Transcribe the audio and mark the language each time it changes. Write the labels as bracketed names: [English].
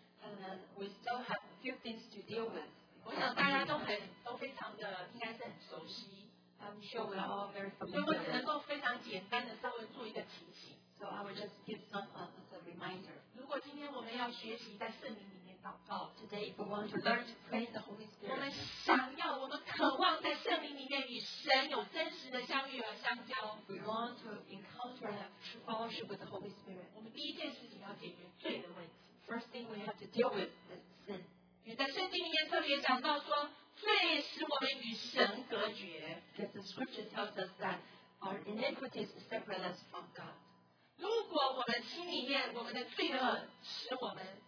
[English] And we still have a few things to deal with. [Chinese] 我想大家都非常的应该是很熟悉。 [English] I'm sure we're all very familiar. [Chinese] 所以我只能够非常简单的稍微做一个提醒。 [English] So I will just give some as a reminder. [Chinese] 如果今天我们要学习在圣灵里面。 [English] Today, if we want to learn to pray in the Holy Spirit, [Chinese] 我们渴望在圣灵里面与神有真实的相遇和相交。 [English] We want to encounter and have true fellowship with the Holy Spirit. [Chinese] 我们第一件事情要解决罪的问题。 [English] First thing we have to deal with is sin. [Chinese] 因为在圣经里面特别讲到说，罪使我们与神隔绝。 [English] Because the scripture tells us that our iniquities separate us from God. [Chinese] 如果我们心里面我们的罪恶使我们